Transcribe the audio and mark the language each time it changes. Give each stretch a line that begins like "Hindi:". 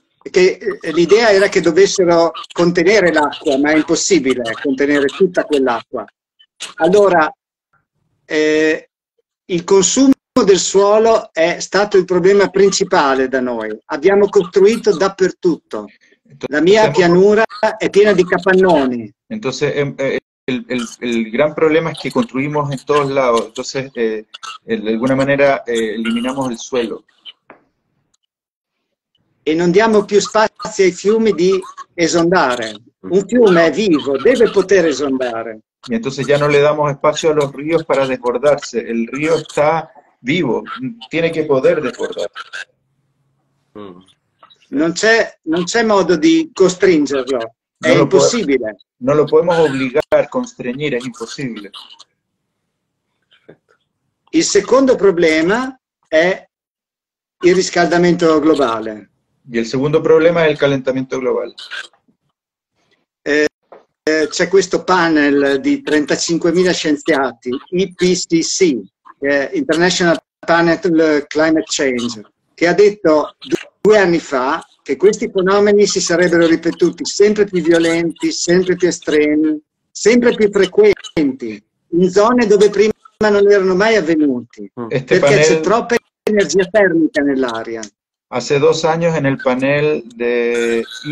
Italian: Che l'idea era che dovessero contenere l'acqua, ma è impossibile contenere tutta quell'acqua. Allora, il consumo del suolo è stato il problema principale da noi. Abbiamo costruito dappertutto. La mia pianura è piena di capannoni.
Spanish: Entonces, el gran problema es que construimos en todos lados. Entonces, de alguna manera eliminamos el suelo.
Italian: E non diamo più spazio ai fiumi di esondare. Un fiume è vivo, deve poter esondare.
Spanish: Y entonces ya no le damos espacio a los ríos para desbordarse. El río está vivo, tiene que poder desbordar.
Italian: Non c'è modo di costringerlo, è impossibile. Non
Spanish: lo podemos obligar, constreñir,
Italian: è impossibile. Il secondo problema è il riscaldamento globale.
Spanish: Y el segundo problema es el calentamiento global.
Italian: C'è questo panel di 35.000 scienziati, IPCC, International Panel on Climate Change, che ha detto due anni fa che questi fenomeni si sarebbero ripetuti sempre più violenti, sempre più estremi, sempre più frequenti, in zone dove prima non erano mai avvenuti, perché c'è troppa energia termica nell'aria.
Spanish: Hace dos años en el panel de